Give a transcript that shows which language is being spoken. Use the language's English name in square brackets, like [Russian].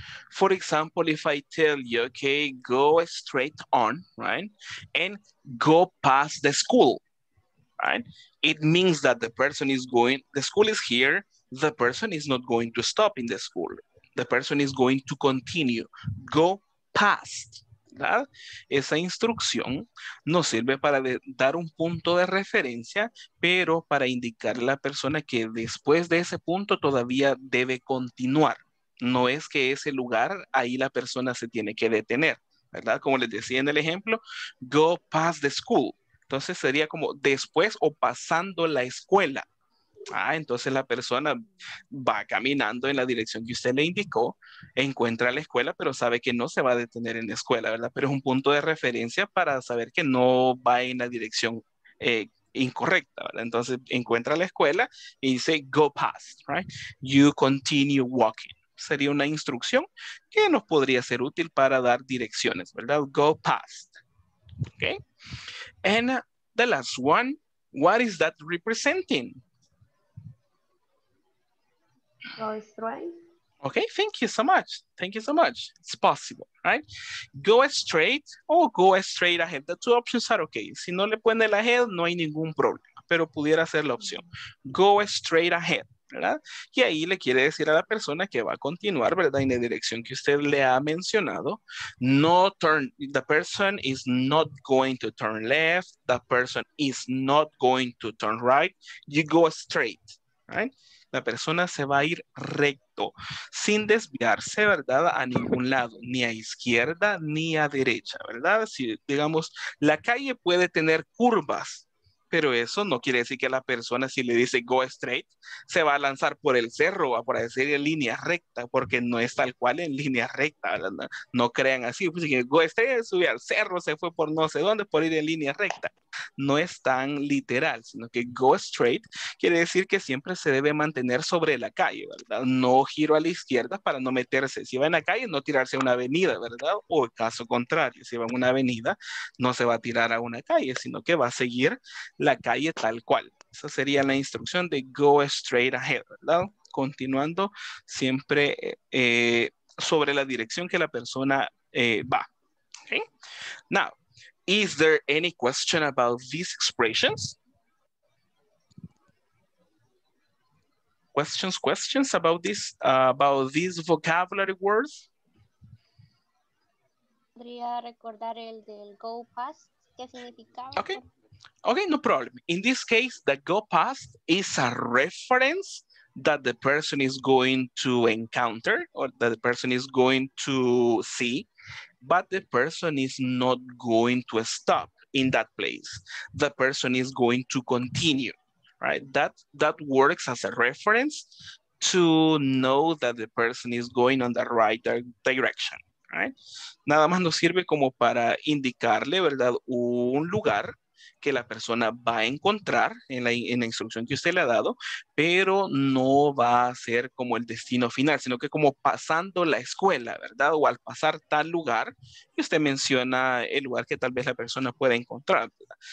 [English] For example, if I tell you, okay, go straight on, right? And go past the school. Right? It means that the person is going, the school is here, the person is not going to stop in the school. The person is going to continue. Go past. [Spanish] ¿Verdad? Esa instrucción nos sirve para dar un punto de referencia, pero para indicarle a la persona que después de ese punto todavía debe continuar. No es que ese lugar, ahí la persona se tiene que detener. ¿Verdad? Como les decía en el ejemplo, [English] go past the school. [Spanish] Entonces sería como después o pasando la escuela. Ah, entonces la persona va caminando en la dirección que usted le indicó, encuentra la escuela, pero sabe que no se va a detener en la escuela, ¿verdad? Pero es un punto de referencia para saber que no va en la dirección incorrecta, ¿verdad? Entonces encuentra la escuela y dice, [English] go past, right? You continue walking. [Spanish] Sería una instrucción que nos podría ser útil para dar direcciones, ¿verdad? [English] Go past. Okay. And the last one, what is that representing? Go straight. Okay, thank you so much. Thank you so much. It's possible, right? Go straight or go straight ahead. The two options are okay. [Spanish] Si no le pone la head, no hay ningún problema, pero pudiera ser la opción. [English] Go straight ahead, [Spanish] ¿verdad? Y ahí le quiere decir a la persona que va a continuar, ¿verdad? En la dirección que usted le ha mencionado. [English] No turn, the person is not going to turn left. The person is not going to turn right. You go straight, right? [Spanish] La persona se va a ir recto, sin desviarse, ¿verdad? A ningún lado, ni a izquierda, ni a derecha, ¿verdad? Si, digamos, la calle puede tener curvas, pero eso no quiere decir que la persona, si le dice go straight, se va a lanzar por el cerro, va por decir en línea recta, porque no es tal cual en línea recta, ¿verdad? No crean así, pues, que go straight, subió al cerro, se fue por no sé dónde, por ir en línea recta. No es tan literal, sino que go straight quiere decir que siempre se debe mantener sobre la calle, ¿verdad? No giro a la izquierda para no meterse. Si va en la calle, no tirarse a una avenida, ¿verdad? O caso contrario, si va en una avenida, no se va a tirar a una calle, sino que va a seguir la calle tal cual. Esa sería la instrucción de go straight ahead, ¿verdad? Continuando siempre sobre la dirección que la persona va. [English] Okay? Now, is there any question about these expressions? Questions about these vocabulary words? [Spanish] ¿Podría recordar el del go past? ¿Qué significaba? [English] Okay. Okay, no problem. In this case, the go past is a reference that the person is going to encounter or that the person is going to see, but the person is not going to stop in that place. The person is going to continue, right? That works as a reference to know that the person is going on the right direction, right? [Spanish] Nada más nos sirve como para indicarle, ¿verdad?, un lugar que la persona va a encontrar en la instrucción que usted le ha dado, pero no va a ser como el destino final, sino que como pasando la escuela, ¿verdad? O al pasar tal lugar, y usted menciona el lugar que tal vez la persona pueda encontrar, ¿verdad?